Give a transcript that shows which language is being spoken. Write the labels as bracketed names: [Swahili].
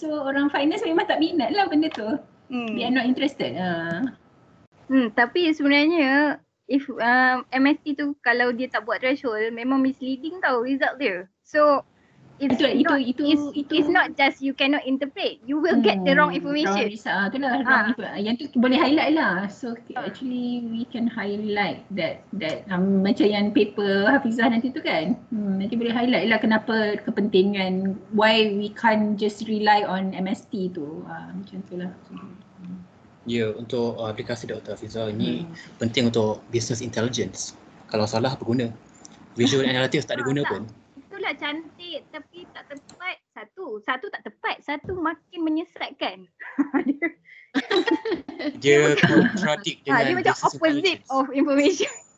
[Malay] So, orang finance memang tak minat lah benda tu. Hmm. [English] They are not interested. [Malay] Tapi sebenarnya, if MST tu kalau dia tak buat threshold, memang misleading tau result dia. [English] So it's not just you cannot interpret, you will get the wrong information. [Malay] Yang tu boleh highlight lah. [English] So actually we can highlight that [Malay] macam yang paper Hafizah nanti tu kan. Nanti boleh highlight lah kenapa kepentingan, [English] why we can't just rely on MST [Malay] tu. Macam tu lah. Ya, untuk aplikasi Dr. Hafizah ini penting untuk business intelligence. Kalau salah, berguna. Visual analytics tak ada guna pun. Itulah cantik tapi tak tepat. Satu tak tepat. Satu makin menyesatkan. Dia contradict dengan dia macam opposite of information.